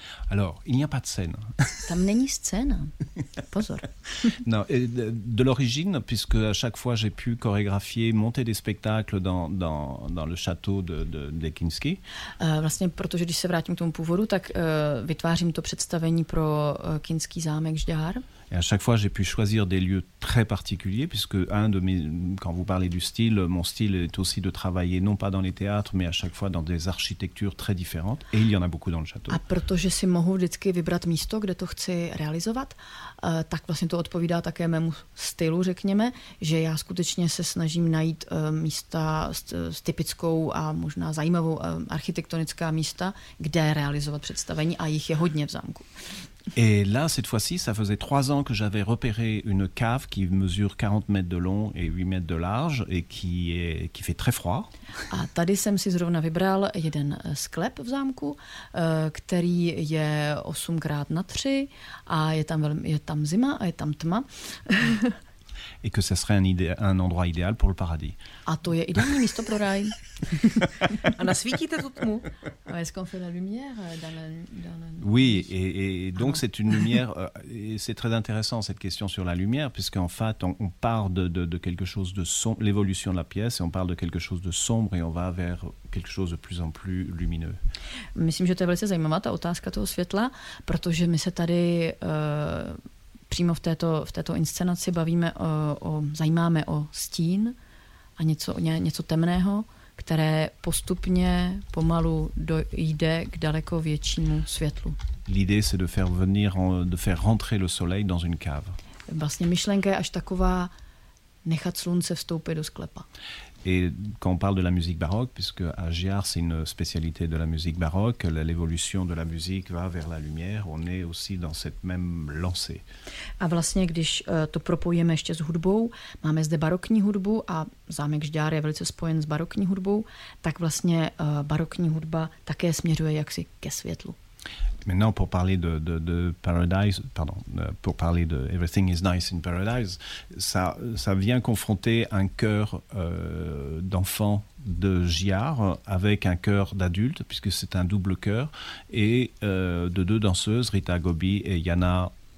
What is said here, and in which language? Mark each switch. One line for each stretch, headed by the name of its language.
French: Alors, il n'y a pas de scène.
Czech: Tam není scéna. Pozor.
French: Non, de l'origine, puisque à chaque fois j'ai pu chorégraphier, monter des spectacles dans le château de Kinsky.
Czech: Vlastně protože když se vrátím k tomu původu, tak vytvářím to představení pro Kinský zámek Žďár.
French: Et à chaque fois, j'ai pu choisir des lieux très particuliers, puisque quand vous parlez du style, mon style est aussi de travailler non pas dans les théâtres, mais à chaque fois dans des architectures très différentes, et il y en a beaucoup dans le château.
Czech: A protože si mohu vždycky vybrat místo, kde to chci realizovat, tak vlastně to odpovídá také mému stylu, řekněme, že já skutečně se snažím najít místa s typickou a možná zajímavou architektonická místa, kde realizovat představení, a jich je hodně v zámku.
French: Et là, cette fois-ci, ça faisait 3 ans que j'avais repéré une cave qui mesure 40 mètres de long et 8 mètres de large et qui fait très froid.
Czech: A tady jsem si zrovna vybral jeden sklep v zámku, který je 8x3 a je tam zima a je tam tma.
French: Et que ce serait un endroit idéal pour le paradis.
Czech: A to je ideální místo pro ráj. A nasvítíte tu tmu.
French: Est-ce qu'on fait la lumière dans la... Oui, et donc c'est une lumière, et c'est très intéressant cette question sur la lumière, puisqu'en fait on part de quelque chose de sombre, l'évolution de la pièce, et on parle de quelque chose de sombre et on va vers quelque chose de plus en plus lumineux.
Czech: Myslím, že to je velice zajímavá ta otázka toho světla, protože my se tady... Přímo v této inscenaci bavíme zajímáme o stín a něco temného, které postupně pomalu jde k daleko většímu světlu.
French: L'idée c'est de faire rentrer le soleil dans une cave.
Czech: Vlastně myšlenka je až taková nechat slunce vstoupit do sklepa.
French: Et quand on parle de la musique baroque, puisque à Gjar c'est une spécialité de la musique baroque, l'évolution de la musique va vers la lumière, on est aussi dans cette même lancée.
Czech: A vlastně, když to propojíme ještě s hudbou, máme zde barokní hudbu a zámek Gjar je velice spojen s barokní hudbou, tak vlastně barokní hudba také směřuje jaksi ke světlu.
French: Maintenant, pour parler de Paradise, pardon, pour parler de Everything is Nice in Paradise, ça vient confronter un chœur d'enfants de Gjar avec un chœur d'adultes, puisque c'est un double chœur, et de deux danseuses, Rita Gobi et Jana.